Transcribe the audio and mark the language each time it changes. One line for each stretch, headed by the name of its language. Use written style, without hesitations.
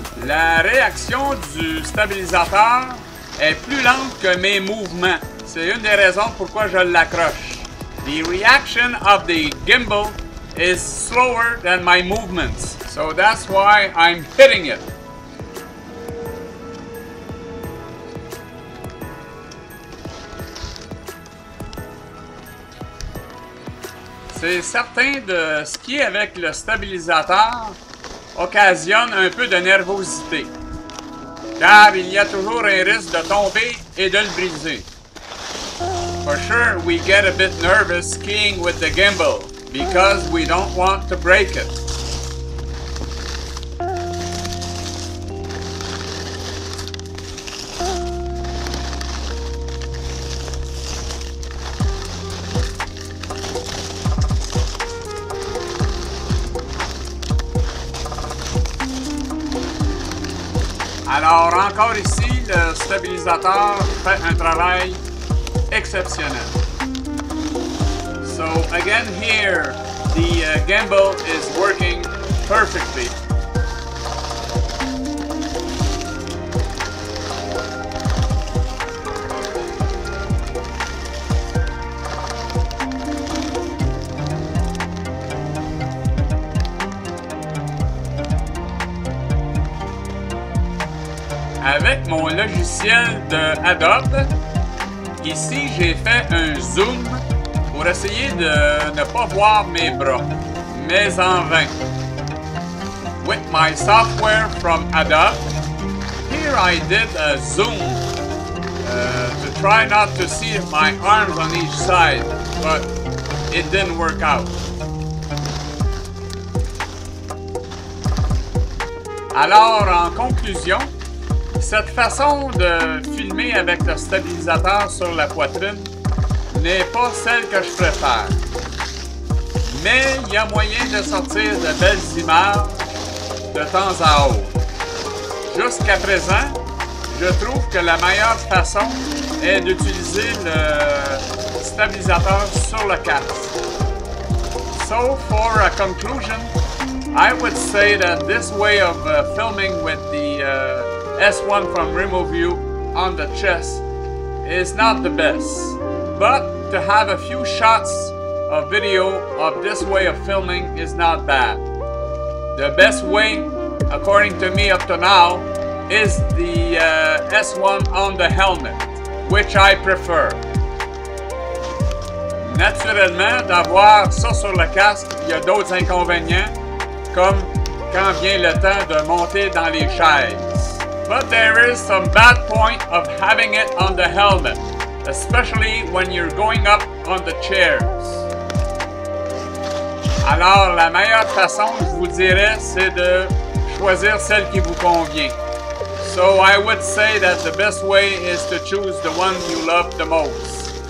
French: La réaction du stabilisateur est plus lente que mes mouvements. C'est une des raisons pourquoi je l'accroche.
English: The reaction of the gimbal is slower than my movements. So that's why I'm hitting it.
French: C'est certain de ce qui est avec le stabilisateur occasionne un peu de nervosité, car il y a toujours un risque de tomber et de le briser.
English: For sure, we get a bit nervous skiing with the gimbal because we don't want to break it.
French: Alors, encore ici, le stabilisateur fait un travail exceptionnel.
English: So, again here, the gimbal is working perfectly.
French: Avec mon logiciel de Adobe, ici j'ai fait un zoom pour essayer de ne pas voir mes bras, mais en vain.
English: With my software from Adobe, here I did a zoom to try not to see my arms on each side, but it didn't work out.
French: Alors, en conclusion, cette façon de filmer avec le stabilisateur sur la poitrine n'est pas celle que je préfère. Mais il y a moyen de sortir de belles images de temps à autre. Jusqu'à présent, je trouve que la meilleure façon est d'utiliser le stabilisateur sur le casque.
English: So for a conclusion, I would say that this way of filming with the S1 from Removu on the chest is not the best, but to have a few shots of video of this way of filming is not bad. The best way, according to me up to now, is the S1 on the helmet, which I prefer.
French: Naturellement, d'avoir ça sur le casque, il y a d'autres inconvénients, comme quand vient le temps de monter dans les chaises.
English: But there is some bad point of having it on the helmet, especially when you're going up on the chairs.
French: Alors, la meilleure façon, je vous dirais, c'est de choisir celle qui vous convient.
English: So I would say that the best way is to choose the one you love the most.